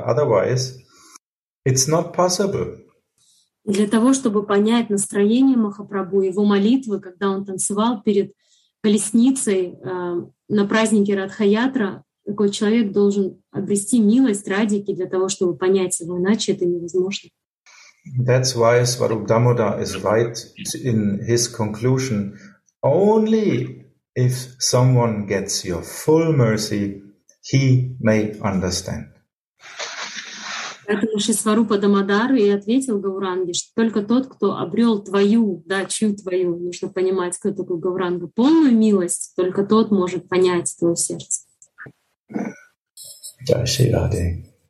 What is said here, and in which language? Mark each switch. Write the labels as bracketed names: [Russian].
[English] Otherwise, it's not possible. [Russian] Для того, чтобы понять настроение Махапрабху, его молитвы, когда он танцевал перед колесницей на празднике Радхаятра, такой человек должен обрести милость Радхики для того, чтобы понять его, иначе это невозможно. [English] That's why Swarup Damodar is right in his conclusion. Only if someone gets your full mercy, he may understand. [Russian] Поэтому Шисварупа Дамодар и ответил Гауранге, что только тот, кто обрел твою, да, чью твою, нужно понимать, кто такой Гауранга, полную милость, только тот может понять твое сердце. Джай Шри Раде.